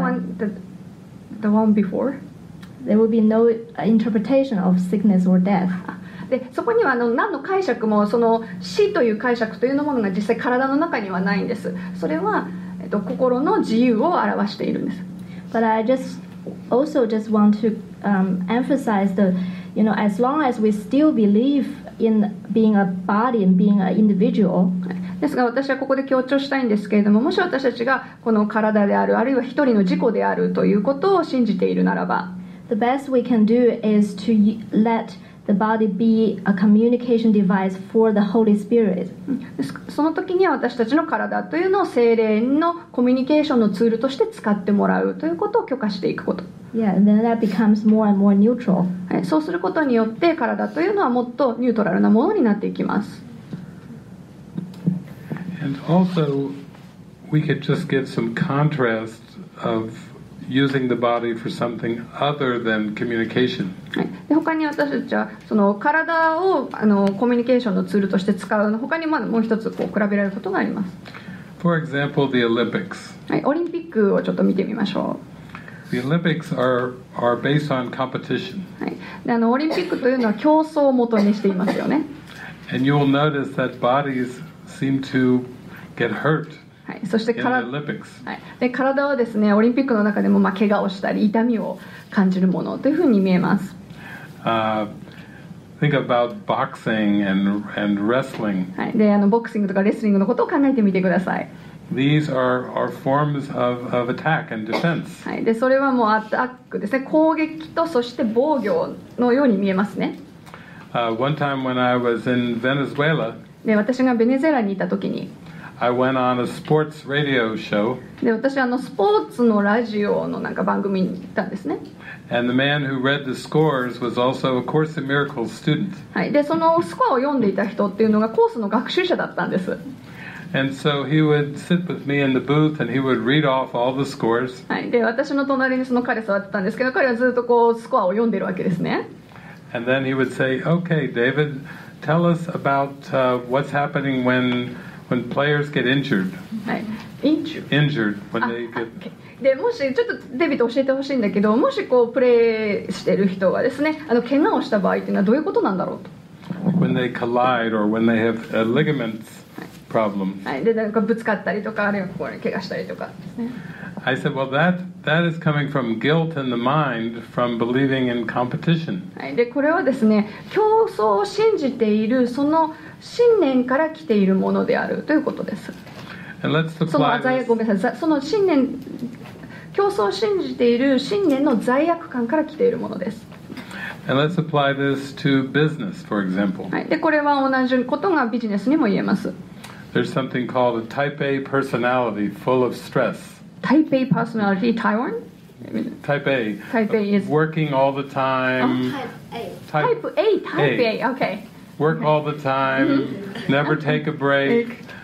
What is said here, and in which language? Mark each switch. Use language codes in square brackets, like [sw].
[en] one, body. The one before. There will be no interpretation of sickness or death. [ja] でそこには何の解釈もその死という解釈というものが実際体の中にはないんです。それは心の自由を表しているんです。 [en] But I just also just want to emphasize the, you know, as long as we still believe in being a body and being an individual. [ja] ですが私はここで強調したいんですけれども、もし私たちがこの体であるあるいは一人の自己であるということを信じているならば、 [en] The best we can do is to letThe body be a communication device for the Holy Spirit. [ja] その時には私たちの体というのを聖霊のコミュニケーションのツールとして使ってもらうということを許可していくこと。 [en] Yeah, then that becomes more and more neutral. [ja] はい、そうすることによって体というのはもっとニュートラルなものになっていきます。 [en] And also, we could just give some contrast of. Using the body for something other than communication. [ja] はい、他に私たちはその体をコミュニケーションのツールとして使うの他にまだもう一つこう比べられることがあります。 [en] For example, the Olympics. [ja] はい、オリンピックをちょっと見てみましょう。 [en] The Olympics are based on competition. [ja] はい、で、オリンピックというのは競争をもとにしていますよね。 [en] And you will notice that bodies seem to get hurt. [ja] はい、そして体はですね、オリンピックの中でもまあ怪我をしたり痛みを感じるものというふうに見えます。 [en] Think about boxing and wrestling. [ja] はい、で、ボクシングとかレスリングのことを考えてみてください。 [en] These are forms of attack and defense. [ja] はい、で、それはもうアタックですね、攻撃とそして防御のように見えますね。 [en] One time when I was in Venezuela. [ja] で、私がベネズエラにいたときに。 [en] I went on a sports radio show. [ja] で、私はスポーツのラジオのなんか番組に行ったんですね。 [en] And the man who read the scores was also a Course in Miracles student. [ja] はい、で、そのスコアを読んでいた人っていうのがコースの学習者だったんです。 [en] And so he would sit with me in the booth and he would read off all the scores. [ja] はい、で、私の隣にその彼座ってたんですけど、彼はずっとこうスコアを読んでるわけですね。 [en] And then he would say, "Okay, David, tell us about what's happening when." When players get injured. Injured. When they get. [ja] で、もしちょっとデビッド教えてほしいんだけど、もしこうプレーしてる人がですね、怪我をした場合っていうのはどういうことなんだろうと。 [en] When they collide or when they have a ligament problem. [ja] はい。で、なんかぶつかったりとか、あるいはここに怪我したりとかですね。 [en] I said, well, that is coming from guilt in the mind from believing in competition. [ja] はい。で、これはですね、競争を信じているその信念から来ているものであるということです。 [en] And let's apply [ja] その罪悪、ごめんなさい、その信念、競争を信じている信念の罪悪感から来ているものです。 [en] And let's apply this to business, for example. [ja] はい。で、これは同じことがビジネスにも言えます。 [en] There's something called a type A personality full of stress. Type A personality, Taiwan? Type A. Type A is... Working all the time. Oh, type A. Okay. Work all the time. Never take a break.